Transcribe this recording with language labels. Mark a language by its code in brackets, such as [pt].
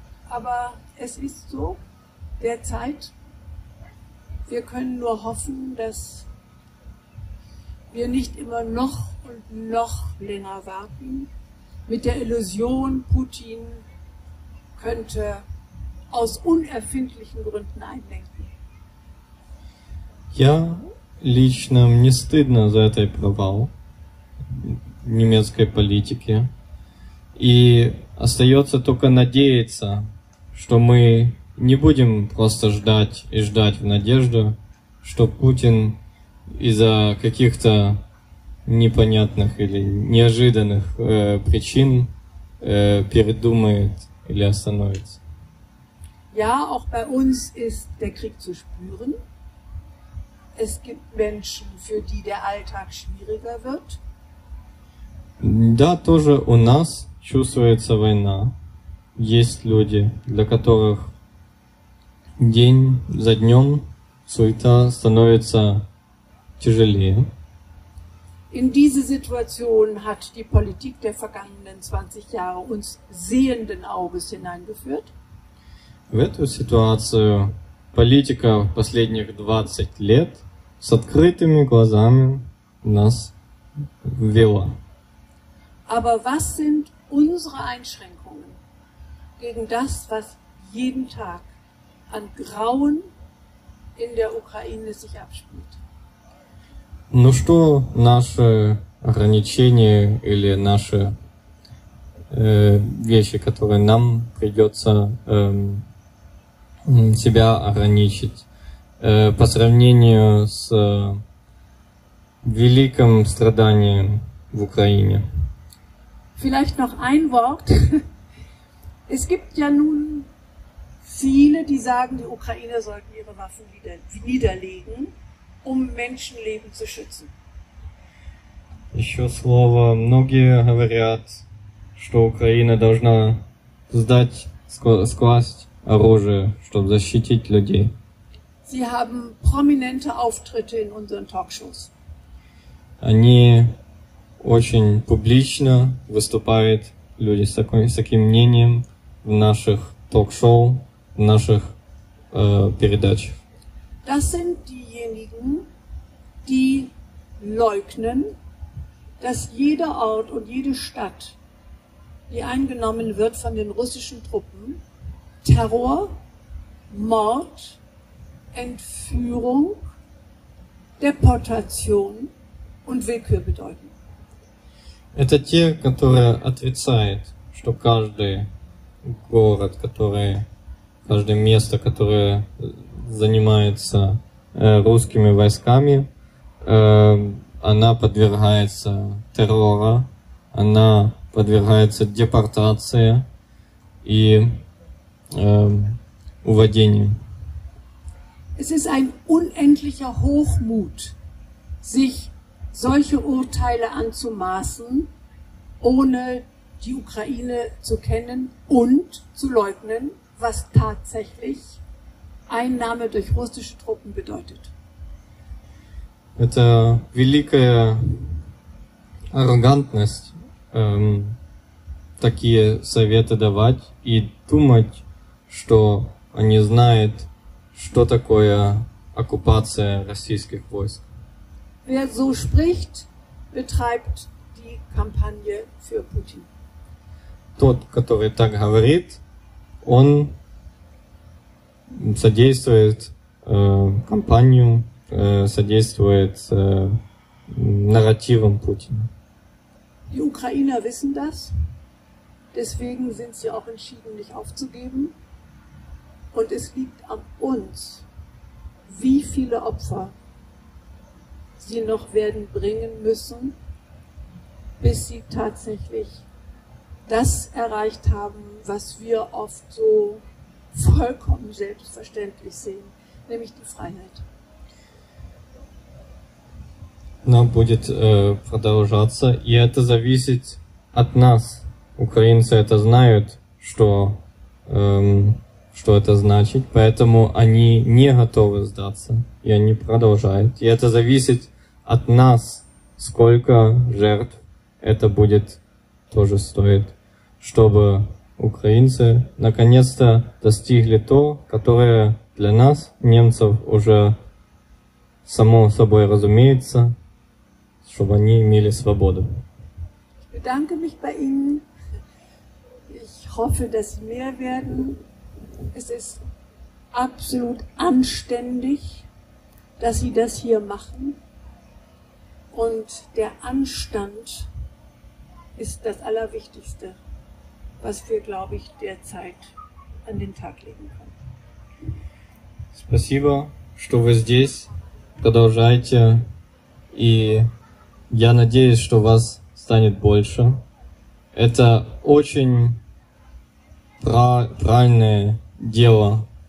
[de] Aber es ist so, derzeit, wir können nur hoffen, dass wir nicht immer noch und noch länger warten, mit der Illusion, Putin könnte aus unerfindlichen Gründen einlenken. [ru] Я лично мне стыдно за этот провал немецкой политики, и остается только надеяться, что мы не будем просто ждать и ждать в надежде, что Путин из-за каких-то непонятных или неожиданных причин передумает или остановится. [de] Ja, auch bei uns ist der Krieg zu spüren. Es gibt Menschen, für die der Alltag schwieriger wird. [ru] Да, тоже у нас чувствуется война. Есть люди, для которых день за днем суета становится тяжелее. [de] In diese Situation hat die Politik der vergangenen 20 Jahre uns sehenden Auges hineingeführt. [ru] В эту ситуацию политика последних 20 лет с открытыми глазами нас ввела. [de] Aber was sind unsere Einschränkungen gegen das, was jeden Tag an Grauen in der Ukraine sich abspielt? [ru] Ну что наши ограничения или наши вещи, которые нам придется себя ограничить по сравнению с великим страданием в Украине? [de] Vielleicht noch ein Wort. Es gibt ja nun viele, die sagen, die Ukrainer sollten ihre Waffen niederlegen, um Menschenleben zu schützen. [ru] Еще слово. Многие говорят, что Украина должна скласть оружие, чтобы защитить людей. [de] Sie haben prominente Auftritte in unseren Talkshows. [ru] Они очень публично выступают люди с таким мнением в наших ток-шоу, в наших передачах. [de] Das sind diejenigen, die leugnen, dass jeder Ort und jede Stadt, die eingenommen wird von den russischen Truppen, Terror, Mord, Entführung, Deportation und Willkür bedeuten. [ru] Это те, которые отрицают, что каждый город, который, каждое место, которое занимается русскими войсками, она подвергается террору, она подвергается депортации и уводению. [de] Es ist ein unendlicher Hochmut, sich solche Urteile anzumaßen, ohne die Ukraine zu kennen und zu leugnen, was tatsächlich Einnahme durch russische Truppen bedeutet. [ru] Это великая арогантность, такие советы давать и думать, что они знают, что такое оккупация российских войск. [de] Wer so spricht, betreibt die Kampagne für Putin. [ru] Тот, который так говорит, он содействует кампанию, содействует нарративам Путина. [de] Die Ukrainer wissen das, deswegen sind sie auch entschieden, nicht aufzugeben. Und es liegt an uns, wie viele Opfer sie noch werden bringen müssen, bis sie tatsächlich das erreicht haben, was wir oft so vollkommen selbstverständlich sehen, nämlich die Freiheit. [ru] Нам будет продолжаться, и это зависит от нас. Украинцы это знают, что что это значит, поэтому они не готовы сдаться, и они продолжают. И это зависит от нас, сколько жертв это будет тоже стоить, чтобы украинцы наконец-то достигли то, которое для нас, немцев, уже само собой разумеется, чтобы они имели свободу. Я [de] bedanke mich bei Ihnen. Ich hoffe, dass Sie mehr werden. Es ist absolut anständig, dass Sie das hier machen. Und der Anstand ist das Allerwichtigste, was wir, glaube ich, derzeit an den Tag legen können. [ru] Спасибо, что вы здесь. Продолжайте. И я надеюсь, что вас станет больше. Это очень правильное дело.